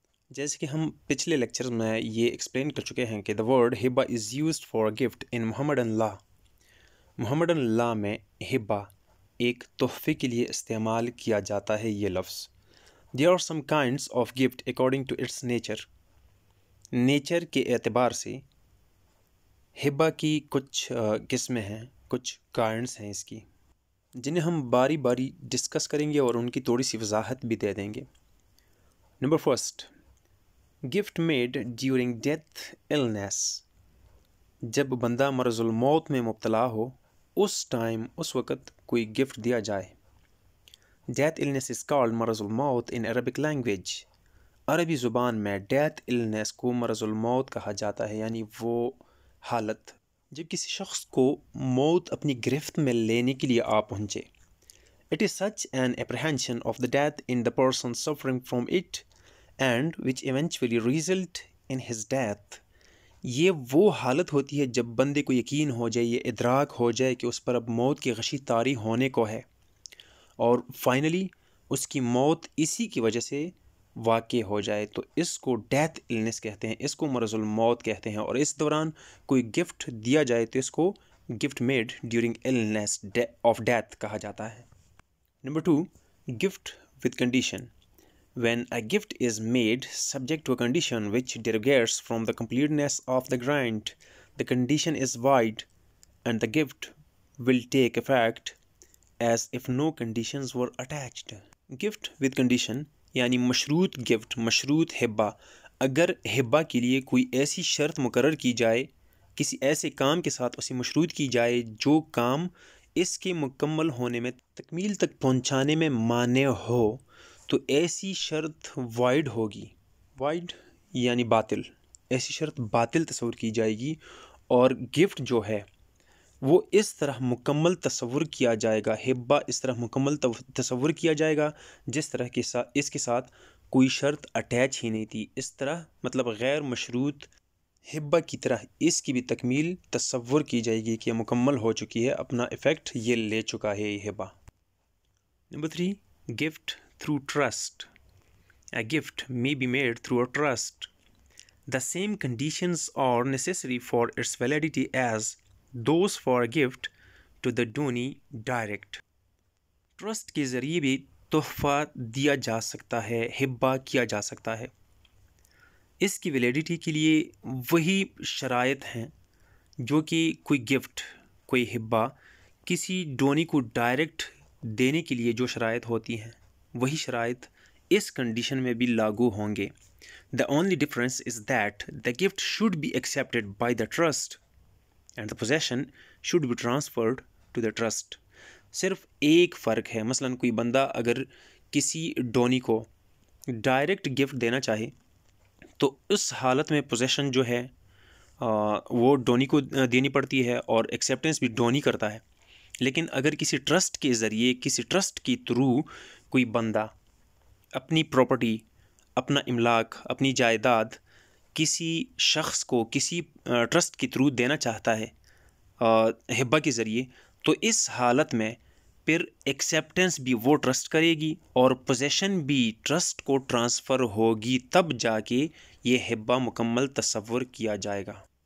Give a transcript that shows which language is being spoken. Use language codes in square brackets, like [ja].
[ur] جیسے کہ ہم پچھلے لیکچرز میں یہ ایکسپلین کر چکے ہیں کہ [en] the word hibba is used for a gift in Muhammadan law. [ur] Muhammadan law میں hibba ایک تحفے کے لیے استعمال کیا جاتا ہے یہ لفظ. [en] There are some kinds of gift according to its nature. [ur] Nature کے اعتبار سے hibba کی کچھ قسمیں ہیں, کچھ kinds ہیں اس کی, جنہیں ہم باری باری ڈسکس کریں گے اور ان کی تھوڑی سی وضاحت بھی دے دیں گے. Number [en] First, gift made during death illness. [ur] جب بندہ مرض الموت میں مبتلا ہو اس ٹائم اس وقت کوئی گفٹ دیا جائے. [en] Death illness is called مرض الموت in Arabic language. [ur] عربی زبان میں death illness کو مرض الموت کہا جاتا ہے, یعنی وہ حالت جب کسی شخص کو موت اپنی گرفت میں لینے کے لیے آ پہنچے. [en] It is such an apprehension of the death in the person suffering from it and which eventually result in his death. [ur] یہ وہ حالت ہوتی ہے جب بندے کو یقین ہو جائے, یہ ادراک ہو جائے کہ اس پر اب موت کی غشی طاری ہونے کو ہے اور فائنلی اس کی موت اسی کی وجہ سے واقع ہو جائے, تو اس کو ڈیتھ النس کہتے ہیں, اس کو مرض الموت کہتے ہیں. اور اس دوران کوئی گفٹ دیا جائے تو اس کو [en] gift made during illness of death [ur] کہا جاتا ہے. [en] Number two, gift with condition. When a gift is made subject to a condition which derogates from the completeness of the grant, the condition is void and the gift will take effect as if no conditions were attached. Gift with condition, [ur] یعنی مشروط gift, مشروط hibba, اگر hibba کے لیے کوئی ایسی شرط مقرر کی جائے, کسی ایسے کام کے ساتھ اسے مشروط کی جائے جو کام اس کے مکمل ہونے میں, تکمیل تک پہنچانے میں مانع ہو, تو ایسی شرط وائڈ ہوگی. وائڈ یعنی باطل, ایسی شرط باطل تصور کی جائے گی. اور گفٹ جو ہے وہ اس طرح مکمل تصور کیا جائے گا, hibba اس طرح مکمل تصور کیا جائے گا جس طرح کے ساتھ اس کے ساتھ کوئی شرط اٹیچ ہی نہیں تھی. اس طرح مطلب غیر مشروط hibba کی طرح اس کی بھی تکمیل تصور کی جائے گی کہ مکمل ہو چکی ہے, اپنا افیکٹ یہ لے چکا ہے یہ hibba. [en] Number three, gift through trust. A gift may be made through a trust. The same conditions are necessary for its validity as those for a gift to the donee direct. [ur] Trust کے ذریعے بھی تحفہ دیا جا سکتا ہے, hibba کیا جا سکتا ہے. اس کی validity کے لیے وہی شرائط ہیں جو کہ کوئی gift, کوئی hibba کسی donee کو direct دینے کے لیے جو شرائط ہوتی ہیں, وہی شرائط اس کنڈیشن میں بھی لاگو ہوں گے. [en] The only difference is that the gift should be accepted by the trust and the position should be transferred to the trust. [ur] صرف ایک فرق ہے, مثلا کوئی بندہ اگر کسی ڈونی کو ڈائریکٹ گفٹ دینا چاہے تو اس حالت میں پوزیشن جو ہے وہ ڈونی کو دینی پڑتی ہے اور ایکسیپٹینس بھی ڈونی کرتا ہے. لیکن اگر کسی ٹرسٹ کے ذریعے, کسی ٹرسٹ کی تھرو کوئی بندہ اپنی پراپرٹی, اپنا املاک, اپنی جائیداد کسی شخص کو کسی ٹرسٹ کے تھرو دینا چاہتا ہے hibba کے ذریعے, تو اس حالت میں پھر ایکسیپٹینس بھی وہ ٹرسٹ کرے گی اور پوزیشن بھی ٹرسٹ کو ٹرانسفر ہوگی, تب جا کے یہ hibba مکمل تصور کیا جائے گا.